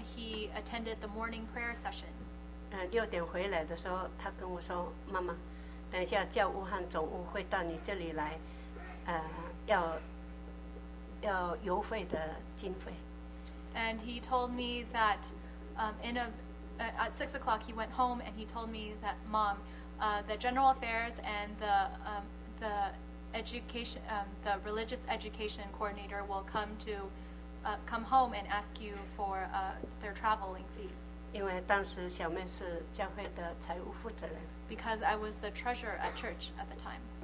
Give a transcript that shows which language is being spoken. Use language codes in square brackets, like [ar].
[en] he attended the morning prayer session [zh] 六点回来的时候，他跟我说：“妈妈，等一下教务和总务会到你这里来，要邮费的经费。” [en] And he told me that, at 6 o'clock he went home and he told me that, Mom, the general affairs and the education, the religious education coordinator will come to, come home and ask you for, their traveling fees. [zh] 因为当时小妹是教会的财务负责人。 [en] Because I was the treasurer at church at the time.